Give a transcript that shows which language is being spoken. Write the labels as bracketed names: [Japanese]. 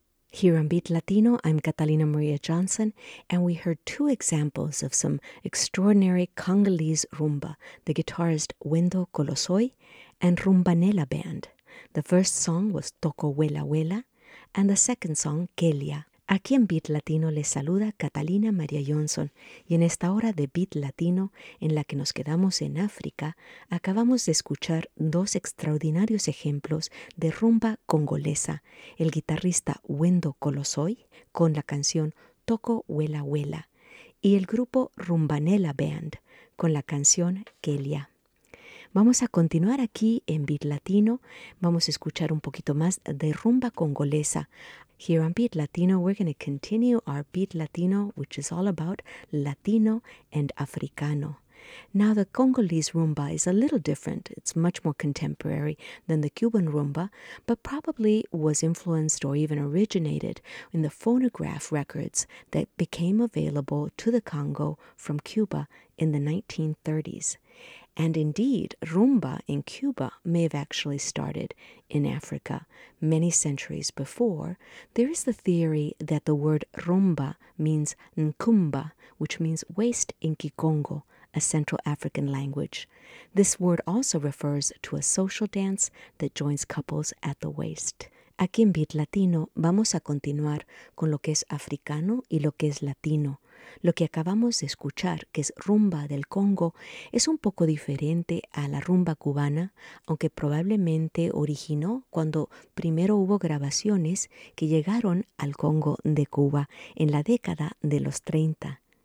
[English] Here on Beat Latino, I'm Catalina Maria Johnson, and we heard two examples of some extraordinary Congolese rumba, the guitarist Wendo Colosoy and Rumbanela Band. The first song was Toco Huela Huela, and the second song, Kelia. [Spanish] Aquí en Beat Latino les saluda Catalina María Johnson, y en esta hora de Beat Latino, en la que nos quedamos en África, acabamos de escuchar dos extraordinarios ejemplos de rumba congolesa, el guitarrista Wendo Colosoy con la canción Toco Huela Huela, y el grupo Rumbanela Band con la canción Kelia. Vamos a continuar aquí en Beat Latino. Vamos a escuchar un poquito más de rumba congolesa. [English] Here on Beat Latino, we're going to continue our Beat Latino, which is all about Latino and Africano. Now, the Congolese rumba is a little different. It's much more contemporary than the Cuban rumba, but probably was influenced or even originated in the phonograph records that became available to the Congo from Cuba in the 1930s. And indeed, rumba in Cuba may have actually started in Africa many centuries before. There is the theory that the word rumba means nkumba, which means waist in Kikongo, a Central African language. This word also refers to a social dance that joins couples at the waist. [Spanish] Aquí en Beat Latino vamos a continuar con lo que es africano y lo que es latino. Lo que acabamos de escuchar, que es rumba del Congo, es un poco diferente a la rumba cubana, aunque probablemente originó cuando primero hubo grabaciones que llegaron al Congo de Cuba en la década de los 30.